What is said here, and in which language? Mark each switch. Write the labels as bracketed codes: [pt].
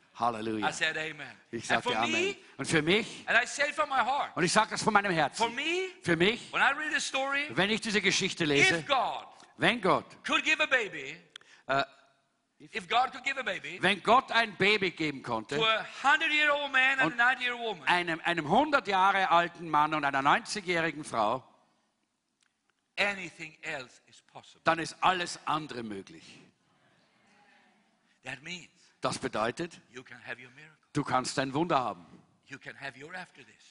[en] Halleluja. I said amen. [de] Ich sagte Amen. [en] Me, [de] und für mich, [en] and I say from my heart, [de] und ich sage das von meinem Herzen, [en] for me, [de] für mich, [en] when I read the story, [de] wenn ich diese Geschichte lese, wenn Gott ein Baby geben konnte, [en] to a 100-year-old man and a 90-year-old woman, [de] einem 100 Jahre alten Mann und einer 90-jährigen Frau, [en] anything else is possible. [de] Dann ist alles andere möglich. [en] That means, [de] das bedeutet, [en] you can have your miracle. [de] Du kannst dein Wunder haben. [en] You can have your after this.